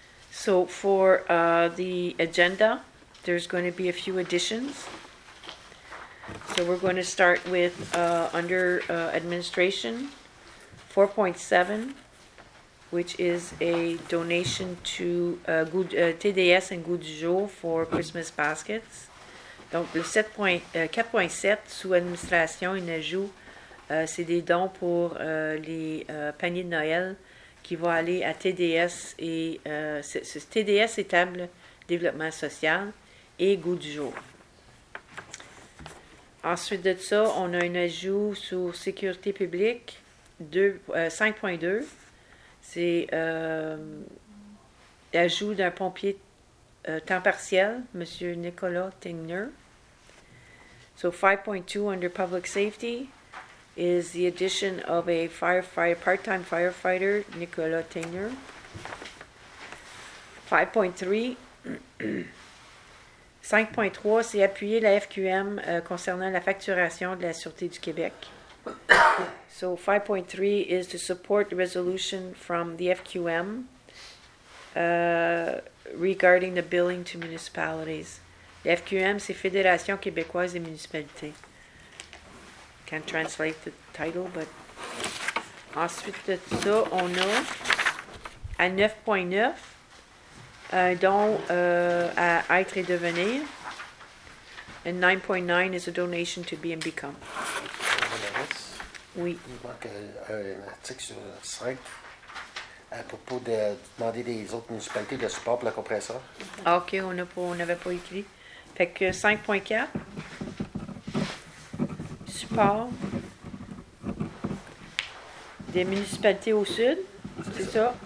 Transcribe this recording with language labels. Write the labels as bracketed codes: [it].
[en] So for the agenda, there's going to be a few additions. So we're going to start with administration 4.7, which is a donation to TDS and Goût du jour for Christmas baskets. [fr] Donc le 4.7 sous administration et ajout, c'est des dons pour les paniers de Noël qui vont aller à TDS et TDS Étable Développement Social et Goût du jour. Ensuite de ça, on a un ajout sur sécurité publique 5.2. C'est l'ajout d'un pompier temps partiel, M. [en] Nicolas Tingner. So 5.2 under public safety is the addition of a part-time firefighter, Nicolas Tingner. 5.3. [fr] 5.3, c'est appuyer la FQM concernant la facturation de la Sûreté du Québec. [en] So 5.3 is to support the resolution from the FQM regarding the billing to municipalities. The FQM, [fr] c'est Fédération québécoise des municipalités. [en] Can't translate the title, but... [fr] Ensuite de ça, on a, à 9.9, un don à être et devenir. [en] And 9.9 is a donation to be and become. [fr] Oui. Il manque un article sur 5 à propos de demander des autres municipalités de support pour la compresseur. Ah, OK, on n'avait pas écrit. Fait que 5.4, support des municipalités au sud, c'est ça?